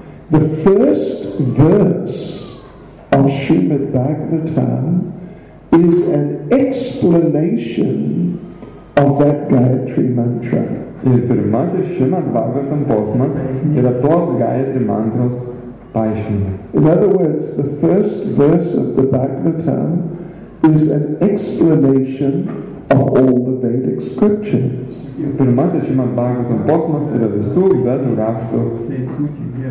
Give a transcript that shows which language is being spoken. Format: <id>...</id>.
<en>The first verse of Srimad Bhagavatam is an explanation of that Gayatri mantra.</en> <lt>Ir pirmasis Srimad Bhagavatam posmas yra tos Gayatri mantros paaiškinimas.</lt> <en>In other words, the first verse of the Bhagavatam is an explanation of all the Vedic scriptures.</en> <lt>Pirmasis Srimad Bhagavatam posmas yra visų Vedų rašto.</lt>